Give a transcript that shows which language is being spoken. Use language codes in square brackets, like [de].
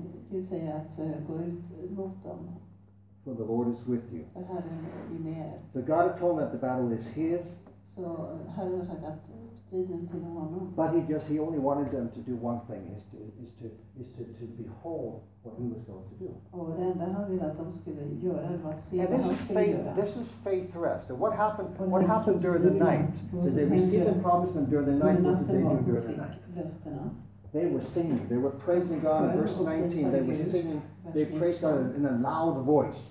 [sv] Gud säger att gå ut mot dem. [en] For the Lord is with you. [sv] Herren är med er. [en] So God had told them that the battle is His. [sv] Så Herren har sagt att striden till honom. [en] But he only wanted them to do one thing, is to behold what he was going to do. [sv] Och det enda han ville att de skulle göra var att se vad han skulle göra. [en] This is faith rest. And what happened during the night? So they received the promise, and during the night, what did they do during the night? They were singing, they were praising God. In verse 19, they were singing, they praised God in a loud voice.